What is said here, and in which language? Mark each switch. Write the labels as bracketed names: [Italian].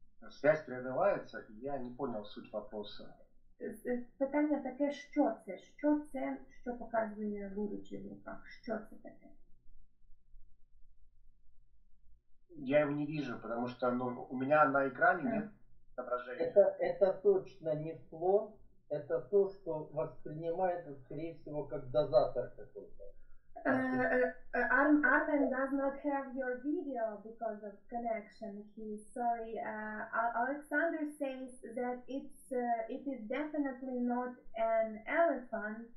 [Russian] Связь прерывається, я не понял суть вопроса. [Ukrainian] Питання таке, що це? Що це, що показує будучий в руках? Що це таке? Я його не вижу, тому що у мене на екрані не зображення. Це точно не слон, це те, що воспринимається, скоріше всього, як дозатор якийсь. [English] Armin does not have your video because of connection. He's sorry. Alexander says that it is definitely not an elephant.